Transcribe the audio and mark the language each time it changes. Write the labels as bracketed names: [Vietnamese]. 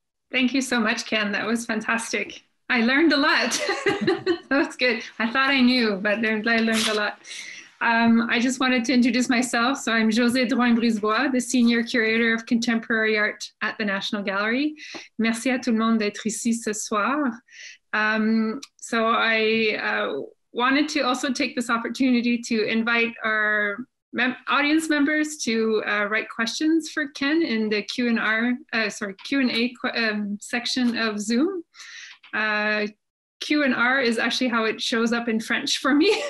[English] Thank you so much, Ken. That was fantastic. I learned a lot. That's good. I thought I knew, but I learned a lot. I just wanted to introduce myself. So I'm José Drouin-Brisebois, the Senior Curator of Contemporary Art at the National Gallery. [French] Merci à tout le monde d'être ici ce soir. [English] So I wanted to also take this opportunity to invite our audience members to write questions for Ken in the Q&A section of Zoom. Q&R is actually how it shows up in French for me.